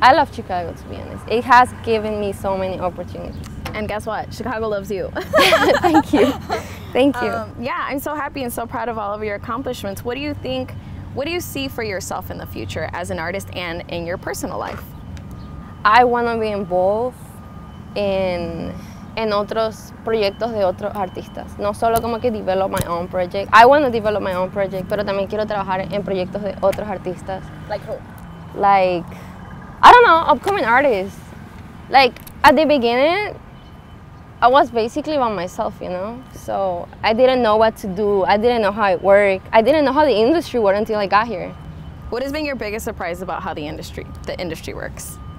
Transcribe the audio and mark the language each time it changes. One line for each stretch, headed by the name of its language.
English: I love Chicago, to be honest. It has given me so many opportunities. And guess what? Chicago loves you. Thank you. Thank you. Yeah, I'm so happy and so proud of all of your accomplishments. What do you think, what do you see for yourself in the future as an artist and in your personal life? I want to be involved in
Spanish: otros proyectos de otros artistas. No solo como que
English: develop my own project. I want to develop my own project,
Spanish: pero también quiero trabajar en proyectos de otros artistas.
English: Like who? Like... I don't know, upcoming artists. Like, at the beginning, I was basically by myself, you know? So I didn't know what to do. I didn't know how it worked. I didn't know how the industry worked until I got here. What has been your biggest surprise about how the industry works?